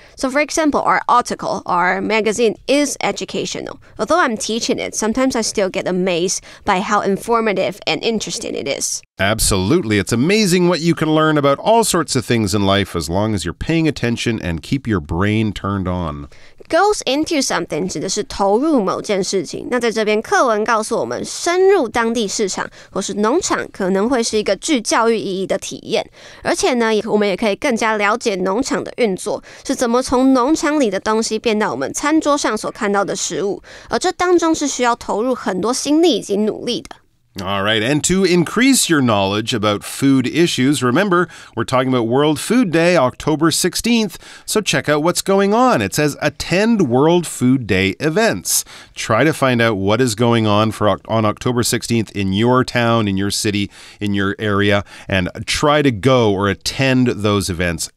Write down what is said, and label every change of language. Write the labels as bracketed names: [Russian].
[English] So for example, our article, our magazine is educational. Although I'm teaching it, sometimes I still get amazed by how informative and interesting it is. Absolutely. It's amazing what you can learn about all sorts of things in life as long as you're paying attention and keep your brain turned on. [Chinese] Goes into something 指的是投入某件事情。那在这边课文告诉我们深入当地市场或是农场可能会是一个具教育意义的体验。而且呢我们也可以更加了解农场的运作是怎么从农场里的东西变到我们餐桌上所看到的食物。而这当中是需要投入很多心力以及努力的。 [English] All right, and to increase your knowledge about food issues, remember, we're talking about World Food Day, October 16th, so check out what's going on. It says, attend World Food Day events. Try to find out what is going on October 16th in your town, in your city, in your area, and try to go or attend those events.